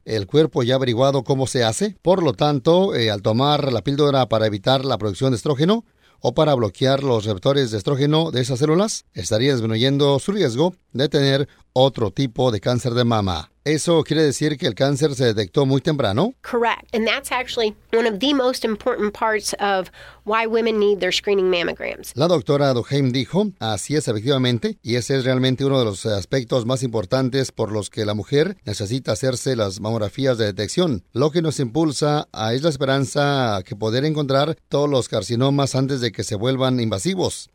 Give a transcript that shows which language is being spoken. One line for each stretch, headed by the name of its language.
Spanish: El cuerpo ya ha averiguado cómo se hace. Por lo tanto, al tomar la píldora para evitar la producción de estrógeno o para bloquear los receptores de estrógeno de esas células, estaría disminuyendo su riesgo de tener otro tipo de cáncer de mama. ¿Eso quiere decir que el cáncer se detectó muy temprano?
English: Correct. And that's actually one of the most important parts of why women need their screening mammograms.
Spanish: La doctora Duhaime dijo, así es efectivamente, y ese es realmente uno de los aspectos más importantes por los que la mujer necesita hacerse las mamografías de detección. Lo que nos impulsa es la esperanza que poder encontrar todos los carcinomas antes de que se vuelvan invasivos.